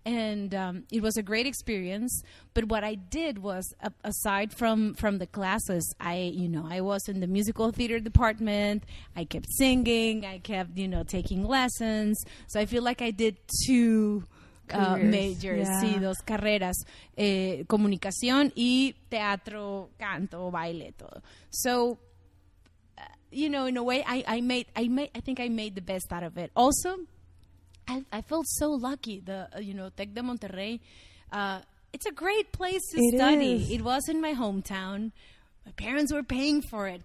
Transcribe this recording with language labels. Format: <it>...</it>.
<en>And it was a great experience. But what I did was, aside from the classes, I was in the musical theater department. I kept singing. I kept, you know, taking lessons. So I feel like I did two majors, yeah.</en> <es>Sí, dos carreras, comunicación y teatro, canto, baile, todo.</es> <en>So, you know, in a way, I think I made the best out of it. Also, I felt so lucky. The you know, Tec de Monterrey, it's a great place to study. Is. It was in my hometown. My parents were paying for it.</en>